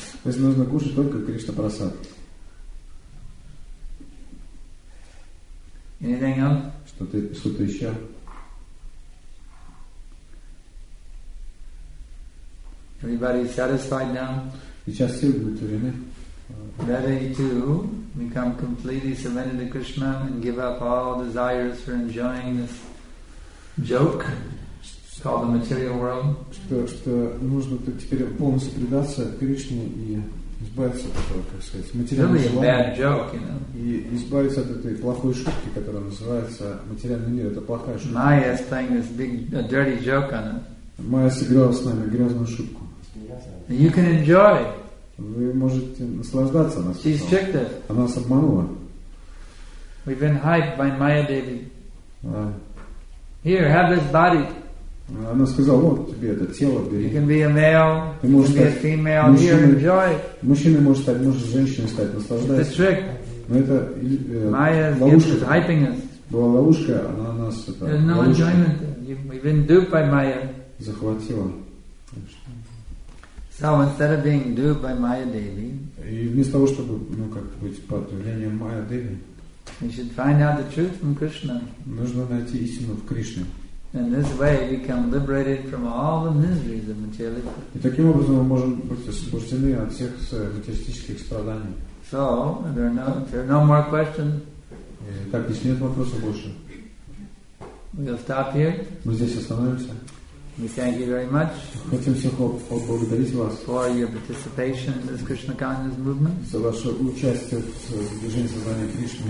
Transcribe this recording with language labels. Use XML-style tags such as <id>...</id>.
<ru>То есть нужно кушать только Кришна прасад.</ru> <en>Anything else?</en> <ru>Что-то еще?</ru> <en>Everybody satisfied now?</en> <ru>Сейчас все будут уверены.</ru> <en>Ready to become completely surrendered to Krishna and give up all desires for enjoying this joke called the material world.</en> <ru>Что нужно теперь полностью предаться Кришне и избавиться от этого, как сказать, материального желания.</ru> <en>Really a bad joke, you know.</en> <ru>И избавиться от этой плохой шутки, которая называется материальный мир. Это плохая шутка.</ru> <en>Майя is playing this big, a dirty joke on it.</en> <ru>Майя сыграла с нами грязную шутку.</ru> <en>And you can enjoy.</en> <ru>Вы можете наслаждаться нас.</ru> <en>She's tricked us.</en> <ru>Она нас обманула.</ru> <en>We've been hyped by Maya Devi. Here, have this body.</en> <ru>Она сказала, вот тебе это тело, бери.</ru> <en>You can be a male,</en> <ru>ты</ru> <en>you can be a female,</en> <ru>мужчины,</ru> <en>here, enjoy.</en> <ru>Мужчина может стать, может женщиной стать, наслаждаться.</ru> <en>It's a trick.</en> <ru>Но это ловушка.</ru> <en>Maya is hyping us.</en> <ru>Была ловушка, она нас...</ru> <en>There's</en> <ru>это,</ru> <en>no</en> <ru>ловушка.</ru> <en>Enjoyment. We've been duped by Maya.</en> <ru>Захватила.</ru> <en>So instead of being duped by Maya Devi,</en> <ru>и вместо того, чтобы, ну, как быть под влиянием Maya Devi,</ru> <en>we should find out the truth from Krishna.</en> <ru>Нужно найти истину в Кришне.</ru> <en>In this way, we become liberated from all the miseries of materialism.</en> <ru>И таким образом мы можем быть освобождены от всех материалистических страданий.</ru> <en>So there are no more questions.</en> <ru>Так, если нет вопросов больше,</ru> <en>we'll stop here.</en> <ru>Мы здесь остановимся.</ru> <en>We thank you very much for your participation in this Krishna consciousness movement.</en> <ru>За ваше участие в движении сознания Кришны.</ru>